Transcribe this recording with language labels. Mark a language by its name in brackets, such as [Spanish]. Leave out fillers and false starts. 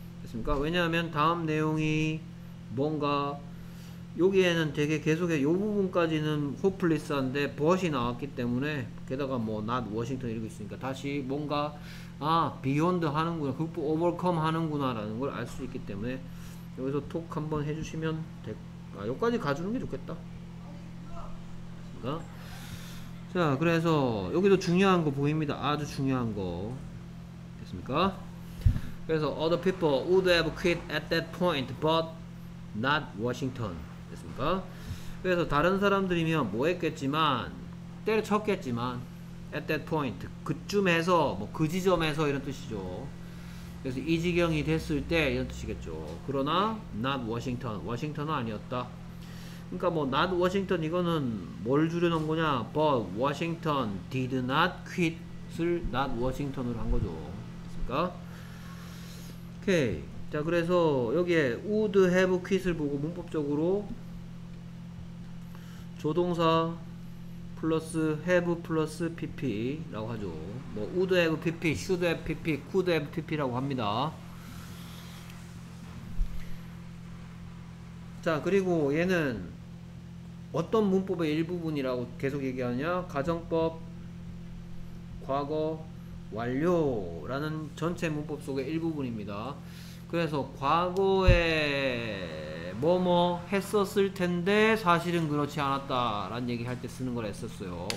[Korean] 됐습니까? 왜냐하면 다음 내용이 뭔가 여기에는 되게 계속해 요 부분까지는 hopeless한데 but이 나왔기 때문에 게다가 뭐 [English] not Washington [Korean] 이러고 있으니까 다시 뭔가 아 beyond 하는구나 극복 overcome 하는구나 라는 걸 알 수 있기 때문에 여기서 톡 한번 해주시면 아 여기까지 가주는 게 좋겠다. 됐습니까? 자 그래서 여기도 중요한 거 보입니다. 아주 중요한 거 됐습니까? [English] 그래서 other people would have quit at that point but not Washington 됐습니까? [Korean] 그래서 다른 사람들이면 뭐 했겠지만 때려쳤겠지만 [English] at that point [Korean] 그쯤에서 뭐 그 지점에서 이런 뜻이죠. 그래서 이 지경이 됐을 때 이런 뜻이겠죠. 그러나 not Washington 워싱턴은 아니었다. 그러니까 뭐 not Washington 이거는 뭘 줄여놓은 거냐 [English] but Washington did not quit [Korean] 을 not Washington으로 한 거죠. 됐습니까? 오케이. 자 그래서 여기에 would have quit을 보고 문법적으로 조동사 플러스 have 플러스 pp 라고 하죠. 뭐 [English] would have pp, should have pp, [Korean] could have pp 라고 합니다. 자 그리고 얘는 어떤 문법의 일부분이라고 계속 얘기하냐 가정법 과거 완료 라는 전체 문법 속의 일부분입니다. 그래서 과거에 뭐뭐 했었을 텐데 사실은 그렇지 않았다 라는 얘기 할 때 쓰는 걸 했었어요.